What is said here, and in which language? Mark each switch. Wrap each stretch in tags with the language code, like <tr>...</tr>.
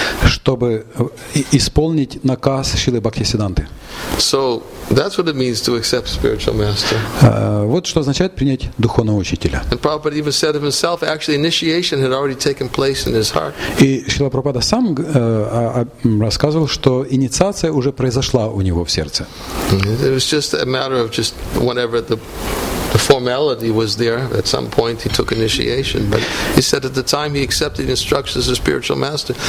<ru>Чтобы исполнить наказ Шрилы Бхактисидданты.</ru> <en>So that's what it means to accept spiritual master.</en> <ru>Вот что означает принять духовного учителя.</ru> <en>And Prabhupada even said of himself, actually initiation had already taken place in his heart.</en> <ru>И Шрила Прабхупада сам рассказывал, что инициация уже произошла у него в сердце.</ru> <en>It was just a matter of just whenever the formality was there. At some point, he took initiation, but he said at the time he accepted instructions as a spiritual master.</en>